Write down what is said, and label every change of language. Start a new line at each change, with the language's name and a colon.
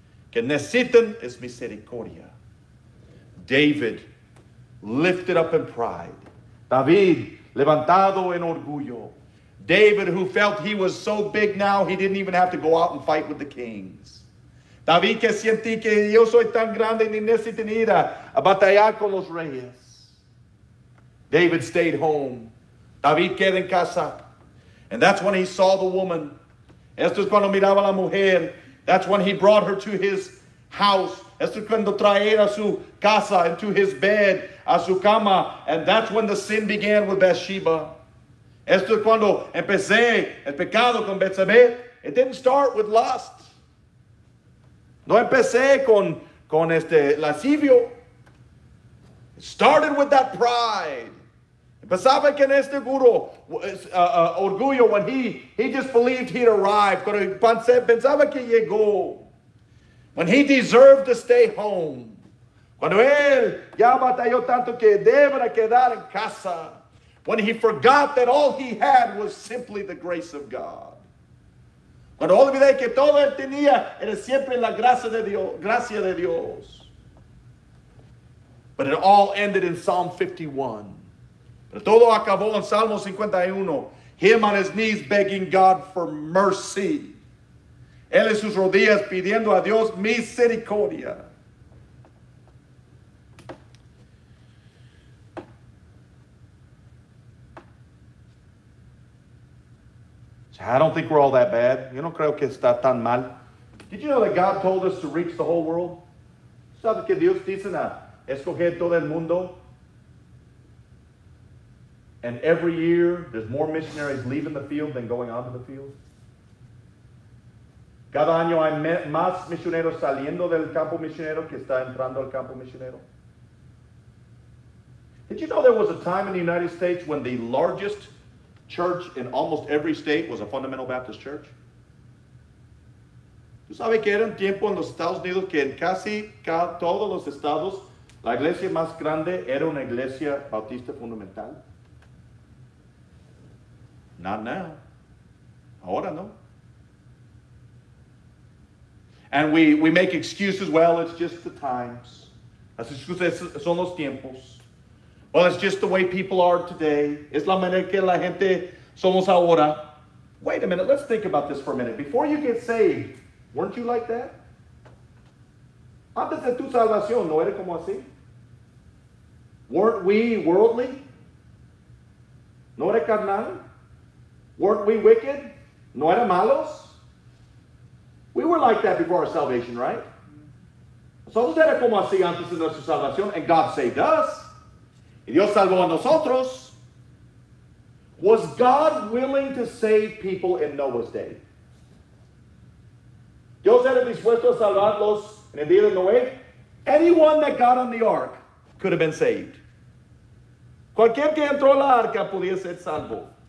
Spanish: Que necesitan es misericordia.
English: David lifted up in pride.
Spanish: David levantado en orgullo.
English: David, who felt he was so big now, he didn't even have to go out and fight with the kings.
Spanish: David, que sentí que yo soy tan grande, ni necesito ir a batallar con los reyes.
English: David stayed home.
Spanish: David quedó en casa.
English: And that's when he saw the woman.
Spanish: Esto es cuando miraba la mujer.
English: That's when he brought her to his house.
Spanish: Esto es cuando trae a su casa,
English: and to his bed,
Spanish: a su cama.
English: And that's when the sin began with Bathsheba.
Spanish: Esto es cuando empecé el pecado con Betsabé.
English: It didn't start with lust.
Spanish: No empecé con este lascivio.
English: It started with that pride.
Spanish: Empezaba con este orgullo
English: when he just believed he'd arrived.
Spanish: Cuando pensaba que llegó.
English: When he deserved to stay home.
Spanish: Cuando él ya batalló tanto que debía quedar en casa.
English: When he forgot that all he had was simply the grace of God.
Spanish: Cuando olvidé que todo él tenía era siempre la gracia de Dios, gracia de Dios.
English: But it all ended in Psalm 51.
Spanish: Pero todo acabó en Salmo 51.
English: Him on his knees begging God for mercy.
Spanish: Él en sus rodillas pidiendo a Dios misericordia.
English: I don't think we're all that bad.
Spanish: Yo no creo que está tan mal.
English: Did you know that God told us to reach the whole world?
Spanish: ¿Sabes que Dios dice a escoger todo el mundo?
English: And every year, there's more missionaries leaving the field than going onto the field.
Spanish: Cada año hay más misioneros saliendo del campo misionero que está entrando al campo misionero.
English: Did you know there was a time in the United States when the largest church in almost every state was a fundamental Baptist church?
Spanish: ¿Tú sabes que era un tiempo en los Estados Unidos que en casi todos los estados la iglesia más grande era una iglesia bautista fundamental?
English: Not now.
Spanish: Ahora no.
English: And we make excuses, well, it's just the times.
Spanish: Las excusas son los tiempos.
English: Well, it's just the way people are today.
Spanish: Es la manera que la gente somos ahora.
English: Wait a minute. Let's think about this for a minute. Before you get saved, weren't you like that?
Spanish: Antes de tu salvación, ¿no era como así?
English: Weren't we worldly?
Spanish: ¿No era carnal?
English: Weren't we wicked?
Spanish: ¿No era malos?
English: We were like that before our salvation, right?
Spanish: Nosotros era como así antes de nuestra salvación,
English: and God saved us.
Spanish: Y Dios salvó a nosotros.
English: Was God willing to save people in Noah's day?
Spanish: ¿Dios era dispuesto a salvarlos en el día de Noé?
English: Anyone that got on the ark could have been saved.
Spanish: Cualquier que entró a la arca podía ser salvo.